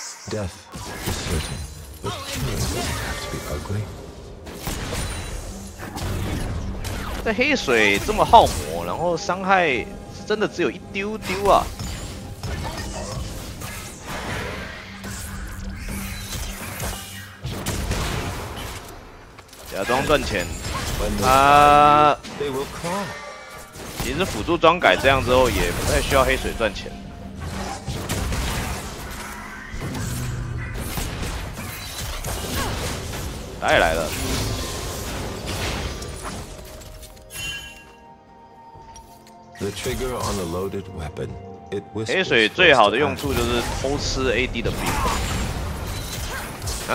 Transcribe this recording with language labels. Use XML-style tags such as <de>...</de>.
<en>Death is certain, but killing doesn't have to be ugly.</en> <zh>这黑水这么耗魔，然后伤害是真的只有一丢丢啊。假装赚钱，他其实辅助装改这样之后也不太需要黑水赚钱。打野来了。</zh> <en>The trigger on the loaded weapon, it whispers.</en> <zh>黑水最好的用处就是偷吃 AD 的兵。</zh>